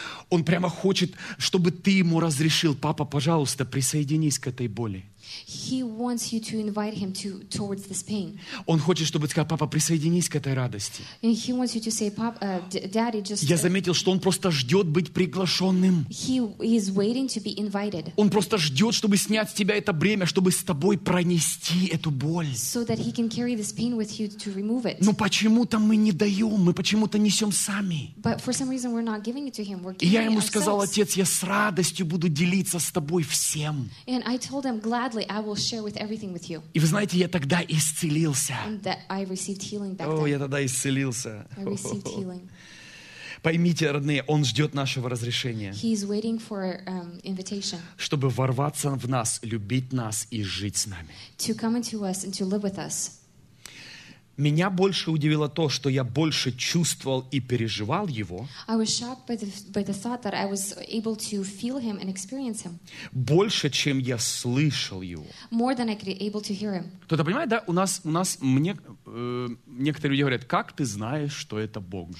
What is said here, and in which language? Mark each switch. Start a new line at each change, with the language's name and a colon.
Russian: Он прямо хочет, чтобы ты ему разрешил: папа, пожалуйста, присоединись к этой боли.
English: He wants you to invite him to, towards this pain.
Russian: Он хочет, чтобы ты сказал: папа, присоединись к этой радости.
English: And he wants you to say, Papa, Daddy, just.
Russian: Я заметил, что он просто ждет быть приглашенным.
English: He is waiting to be invited.
Russian: Он просто ждет, чтобы снять с тебя это бремя, чтобы с тобой пронести эту боль.
English: So that he can carry this pain with you to remove it.
Russian: Но почему-то мы не даем, мы почему-то несем сами.
English: But for some reason we're not giving it to him. We're giving ourselves.
Russian: Я ему сказал: отец, я с радостью буду делиться с тобой всем.
English: And I told him glad. I will share with everything with you.
Russian: И вы знаете, я тогда исцелился.
English: And that I received healing back then.
Russian: О, я тогда исцелился.
English: I received healing.
Russian: Поймите, родные, Он ждет нашего разрешения.
English: He is waiting for invitation.
Russian: Чтобы ворваться в нас, любить нас и жить с нами.
English: To come into us and to live with us.
Russian: Меня больше удивило то, что я больше чувствовал и переживал Его.
English: I was shocked by the thought that I was able to feel Him and experience Him.
Russian: Больше, чем я слышал Его.
English: More than I could be able to hear Him.
Russian: Кто-то понимает, да? У нас мне некоторые люди говорят: как ты знаешь, что это Бог?